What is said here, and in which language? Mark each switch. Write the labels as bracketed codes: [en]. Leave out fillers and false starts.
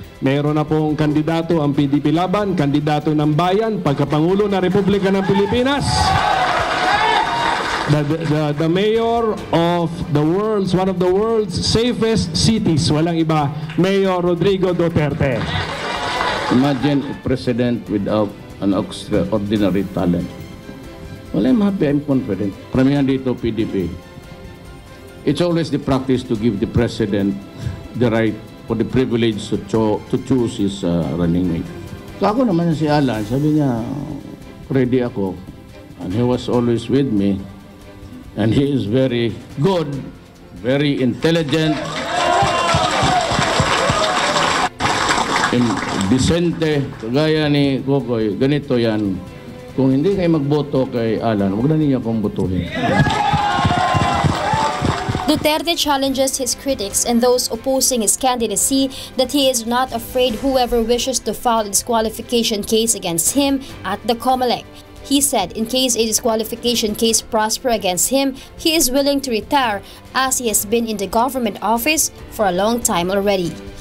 [tl] Meron na pong kandidato ang PDP Laban, kandidato ng bayan, pagkapangulo ng Republika ng Pilipinas. [en] The mayor of the world's, one of the world's safest cities, [tl] walang iba, [en] Mayor Rodrigo Duterte. Imagine a president without an extraordinary talent. Well, I'm happy, I'm confident. Premier dito PDP, it's always the practice to give the president the right for the privilege to choose his running mate. [tl] So ako naman si Alan, sabi niya, ready ako. [en] And he was always with me. And he is very good, very intelligent, [tl] Vicente, kagaya ni Kukoy, ganito yan. Kung hindi kayo magboto kay Alan, huwag na ninyo akong botohin. [en] Duterte challenges his critics and those opposing his candidacy that he is not afraid whoever wishes to file a disqualification case against him at the COMELEC. He said in case a disqualification case prosper against him, he is willing to retire as he has been in the government office for a long time already.